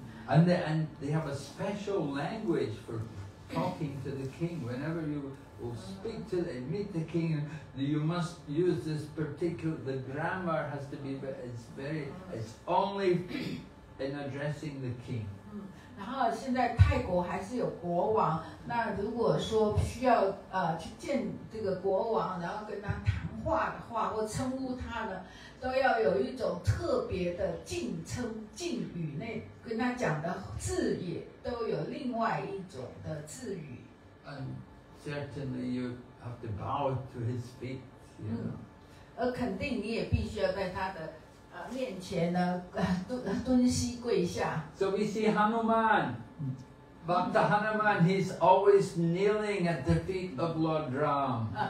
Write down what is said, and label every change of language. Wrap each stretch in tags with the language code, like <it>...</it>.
<en>And they have a special language for talking to the king. Whenever you will speak to them, meet the king, you must use this particular, the grammar has to be, but it's very, it's only in addressing the king.</en> <zh>然后现在泰国还是有国王, 那如果说需要, 去见这个国王, 然后跟他谈话的话, 或称呼他呢, 都要有一种特别的敬称, 敬语, 那, 跟他讲的字也, 都有另外一种的字语。</zh> <en>And certainly you have to bow to his feet, you know.</en> <zh>而肯定你也必须要在他的 面前呢，蹲膝跪下。</zh> <en>So we see Hanuman, Bhakta Hanuman, he's always kneeling at the feet of Lord Ram.</en>